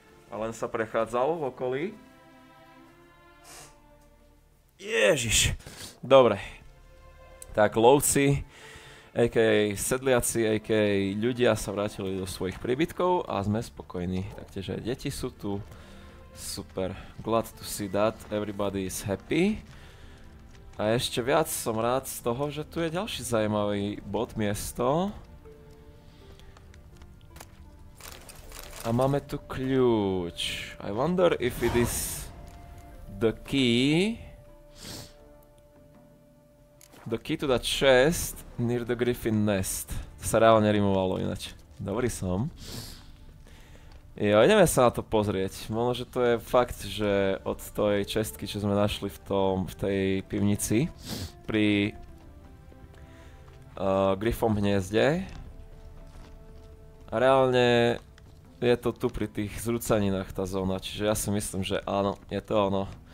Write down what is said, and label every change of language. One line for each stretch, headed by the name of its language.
Slovak: A len sa prechádzal v okolí. Ježiš! Dobre. Tak lovci, a.k.a. sedliaci, a.k.a. ľudia sa vrátili do svojich príbytkov a sme spokojní. Taktiež aj deti sú tu.
English: Super, glad to see that, everybody is happy.
Slovak: A ešte viac som rád z toho, že tu je ďalší zaujímavý bod, miesto. A máme tu kľúč.
English: I wonder if it is the key. The key to that chest near the griffin nest.
Slovak: To sa reálne rimovalo inač. Dobrý som. Jo, ideme sa na to pozrieť. Možno, že to je fakt, že od tej čestky, čo sme našli v tej pivnici, pri Griffom hniezde. A reálne je to tu pri tých zrúcaninách tá zóna, čiže ja si myslím, že áno, je to ono.